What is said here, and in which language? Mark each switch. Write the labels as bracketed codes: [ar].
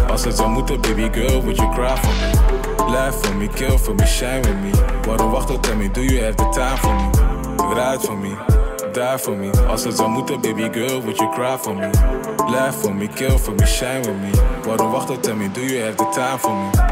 [nl] Als het zou moeten, [en] baby girl, would you cry for me? Laugh for me, kill for me, shine with me. [nl] Waarom wacht op, [en] tell me, do you have the time for me? Ride for me, die for me. [nl] Als het zou moeten, [en] baby girl, would you cry for me? Laugh for me, kill for me, shine with me. [nl] Waarom wacht op, [en] tell me, do you have the time for me?